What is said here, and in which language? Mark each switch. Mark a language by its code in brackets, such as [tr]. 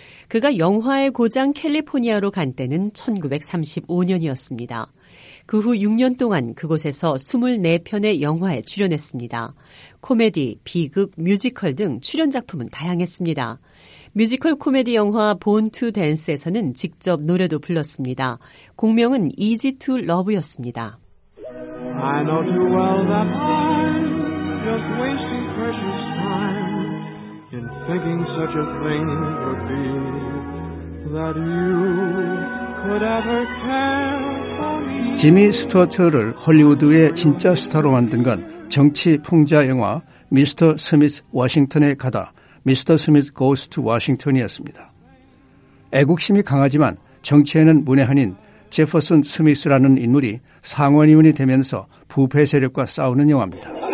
[ko] 그가 영화의 고장 캘리포니아로 간 때는 1935년이었습니다. 그 후 6년 동안 그곳에서 24편의 영화에 출연했습니다. 코미디, 비극, 뮤지컬 등 출연 작품은 다양했습니다. 뮤지컬 코미디 영화 Born to Dance에서는 직접 노래도 불렀습니다. 곡명은 Easy to Love였습니다. [en] I know too well that I'm just wasting precious time in thinking such a thing would be that you could ever care for me. [ko] 지미 스튜어트를 할리우드의 진짜 스타로 만든 건 정치 풍자 영화 미스터 스미스 워싱턴에 가다 미스터 스미스 고스 투 워싱턴이었습니다. 애국심이 강하지만 정치에는 문외한인 제퍼슨 스미스라는 인물이 상원의원이 되면서 부패 세력과 싸우는 영화입니다.